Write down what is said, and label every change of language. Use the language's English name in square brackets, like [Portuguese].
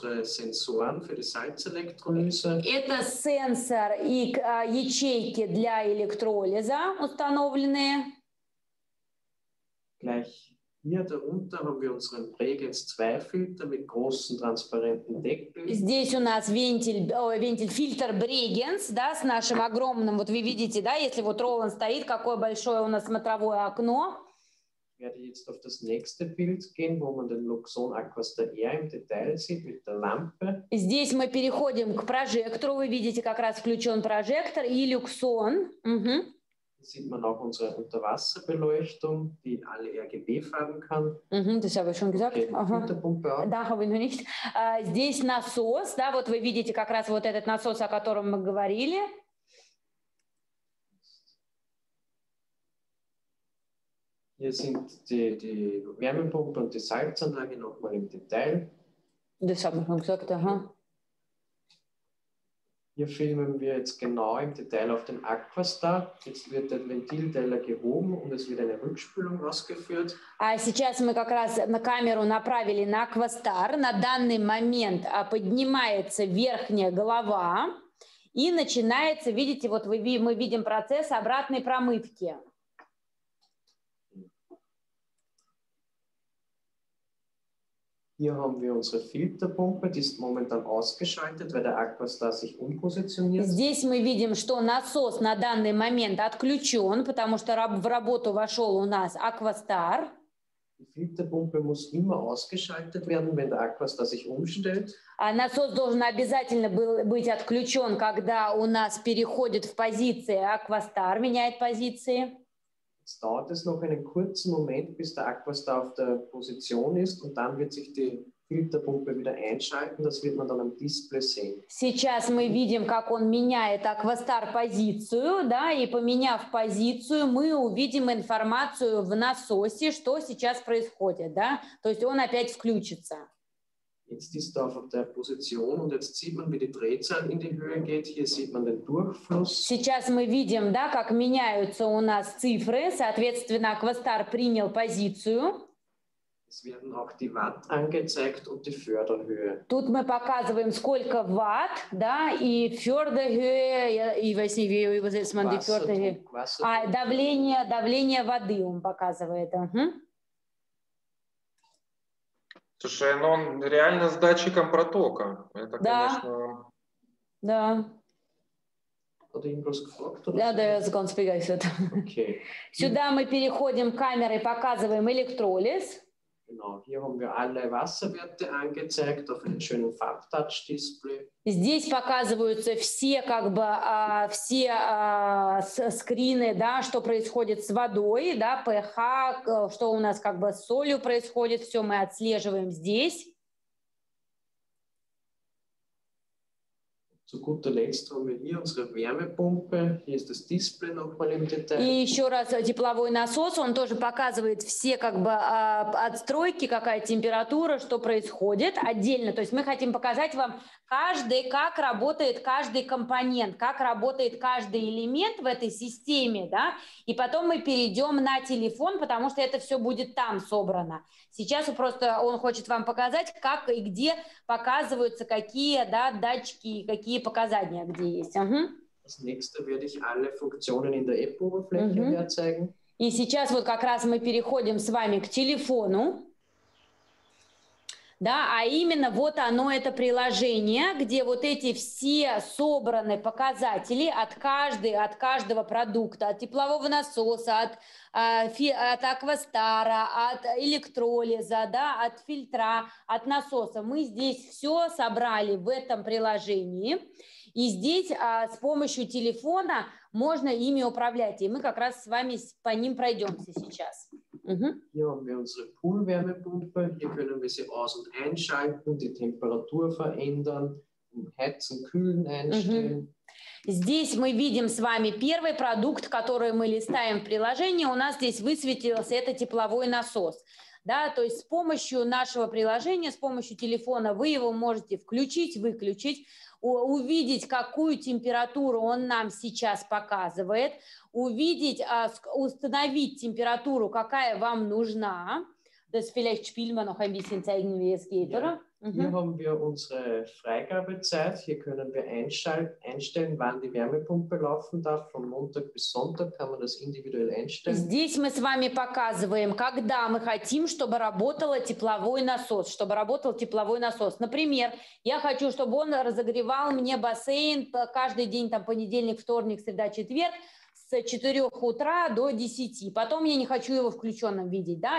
[Russian] Это сенсор и ячейки для электролиза установленные. [German] Hier darunter haben wir unseren Bregenz-2-Filter mit großen transparenten Deckeln. [Russian] Здесь у нас вентиль-фильтр Bregenz, да, с нашим огромным. Вот вы видите, да, если вот Roland стоит, какое большое у нас смотровое окно. [German] Ich werde jetzt auf das nächste Bild gehen, wo man den Luxon Aquastar Air im Detail sieht mit der Lampe. [Russian] Здесь мы переходим к прожектору. Вы видите, как раз включен прожектор и Luxon. [German] Sieht man auch unsere Unterwasserbeleuchtung, die in alle RGB-Farben kann. Das habe ich schon gesagt. Da habe ich noch nicht. [Russian] Здесь насос, да, вот вы видите как раз вот этот насос, о котором мы говорили. [German] Hier sind die Wärmepumpe und die Salzanlage nochmal im Detail. Das habe ich schon gesagt, Hier filmen wir jetzt genau im Detail auf den Aquastar. Jetzt wird der Ventilteller gehoben und es wird eine Rückspülung ausgeführt. [Russian] А сейчас мы как раз на камеру направили на Aquastar. На данный момент поднимается верхняя голова и начинается, видите, вот мы видим процесс обратной промывки. [German] Hier haben wir unsere Filterpumpe, die ist momentan ausgeschaltet, weil der Aquastar sich umpositioniert. [Russian] Здесь мы видим, что насос на данный момент отключен, потому что в работу вошел у нас Aquastar. [German] Die Filterpumpe muss immer ausgeschaltet werden, wenn der Aquastar sich umstellt. [Russian] А насос должен обязательно быть отключен, когда у нас переходит в позиции Aquastar, меняет позиции. [German] Jetzt dauert es noch einen kurzen Moment, bis der Aquastar auf der Position ist und dann wird sich die Filterpumpe wieder einschalten. Das wird man dann am Display sehen. [Russian] Сейчас мы видим, как он меняет Aquastar позицию, да, и поменяв позицию, мы увидим информацию в насосе, что сейчас происходит, да, то есть он опять включится. [German] Jetzt ist er auf der Position und jetzt sieht man, wie die Drehzahl in die Höhe geht. Hier sieht man den Durchfluss. [Russian] Сейчас мы видим, да, как меняются у нас цифры. Соответственно, Aquastar принял позицию. [German] Es werden auch die Watt angezeigt und die Förderhöhe. [Russian] Тут мы показываем, сколько Watt, да, и Förderhöhe, и [German] weiß nicht, wie übersetzt man die Förderhöhe. [Russian] Давление воды он показывает. Слушай, ну он реально с датчиком протока. Это, да. Конечно... Да. Вот им просто факт. Да, да, я закон спигайся. Окей. Сюда мы переходим камерой, показываем электролиз. [German] Genau, hier haben wir alle Wasserwerte angezeigt auf einem schönen Farbtouch-Display. [Russian] Здесь показываются все, как бы, все скрины, да, что происходит с водой, да, pH, что у нас как бы с солью происходит, все мы отслеживаем здесь. [German] Zu guter Letzt haben wir hier unsere Wärmepumpe, hier ist das Display nochmal im Detail. [Russian] И еще раз тепловой насос, он тоже показывает все как бы отстройки, какая температура, что происходит отдельно. То есть мы хотим показать вам каждый, как работает каждый компонент, как работает каждый элемент в этой системе, да, и потом мы перейдем на телефон, потому что это все будет там собрано. Сейчас просто он хочет вам показать, как и где показываются какие, да, датчики и какие показания где есть. Угу. [German] Als nächstes werde ich alle Funktionen in der App-Oberfläche mehr zeigen. [Russian] И сейчас вот как раз мы переходим с вами к телефону. Да, а именно вот оно, это приложение, где вот эти все собраны показатели от каждого продукта, от теплового насоса, от, от аквастара, от электролиза, да, от фильтра, от насоса. Мы здесь все собрали в этом приложении, и здесь с помощью телефона можно ими управлять, и мы как раз с вами по ним пройдемся сейчас. [German] Hier haben wir unsere Poolwärmepumpe. Hier können wir sie aus- und einschalten, die Temperatur verändern, heizen, kühlen, einstellen. [Russian] Здесь мы видим с вами первый продукт, который мы листаем в приложении. У нас здесь высветился это тепловой насос. Да, то есть с помощью нашего приложения, с помощью телефона вы его можете включить, выключить, увидеть, какую температуру он нам сейчас показывает, увидеть, установить температуру, какая вам нужна. [German] Das vielleicht spielen wir noch ein bisschen zeigen, wie es geht, oder? Hier haben wir unsere Freigabezeit. Hier können wir einstellen, wann die Wärmepumpe laufen darf. Von Montag bis Sonntag kann man das individuell einstellen. [Russian] Здесь мы с вами показываем, когда мы хотим, чтобы работал тепловой насос. Чтобы работал тепловой насос. Например, я хочу, чтобы он разогревал мне бассейн каждый день, там понедельник, вторник, среда, четверг. С 4 утра до 10. Потом я не хочу его включенным видеть. Да?